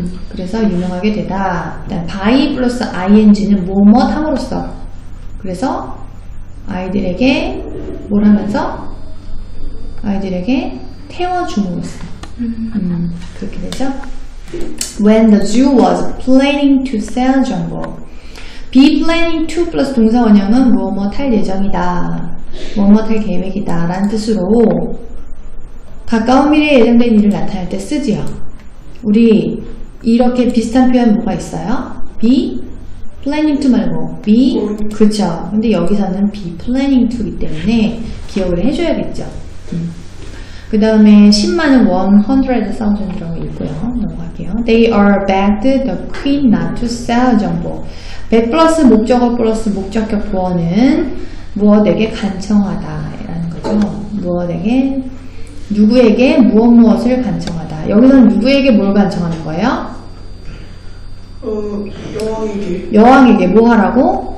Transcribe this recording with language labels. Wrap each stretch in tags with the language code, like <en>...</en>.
<ko>그래서 유명하게 되다. 그다음 by 플러스 ing는 무엇 함으로써. 그래서 아이들에게 뭘 하면서? 아이들에게 태워주면서 그렇게 되죠.</ko> <en>When the zoo was planning to sell Jumbo. Be planning to</en> <ko>플러스 동사원형은 무엇 할 예정이다. 무엇 할 계획이다 라는 뜻으로 가까운 미래에 예정된 일을 나타낼 때 쓰지요. 우리 이렇게 비슷한 표현 뭐가 있어요?</ko> <en>Be planning to</en> <ko>말고 be 그쵸. 근데 여기서는</ko> <en>be planning to</en> <ko>이기 때문에 기억을 해줘야겠죠. 그 다음에 10만은 100,000이라고 읽고요. 넘어갈게요.</ko> <en>They are begged the queen not to sell Jumbo.</en> <ko>Beg 플러스 목적어 플러스 목적격 부어는 무엇에게 간청하다 라는 거죠. 무엇에게 누구에게 무엇 무엇을 간청하다. 여기서는 누구에게 뭘 간청하는 거예요? 여왕에게. 여왕에게 뭐 하라고?</ko>